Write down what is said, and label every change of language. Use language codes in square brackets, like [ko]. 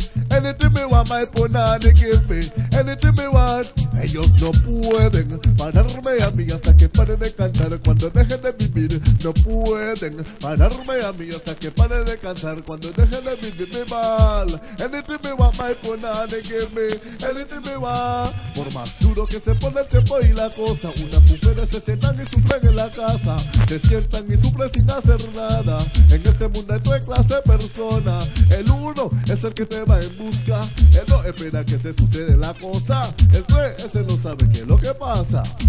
[jam] Anything me want, my punani, give me. Anything me want. [es] Ellos no pueden pararme a mí hasta que pare de cantar cuando deje de vivir. No pueden pararme a mí hasta que pare de cantar cuando deje de vivirme mal. [jam] Anything me want, my punani, give me. Anything me want. [es] Por más duro que se pone el tiempo y la cosa, unas mujeres se sientan y sufren en la casa. Se sientan y sufren sin hacer nada. En este mundo hay tres clases de personas. El uno es el que te va en busca, el dos espera que se sucede la cosa, el tres ese no sabe qué es lo que pasa.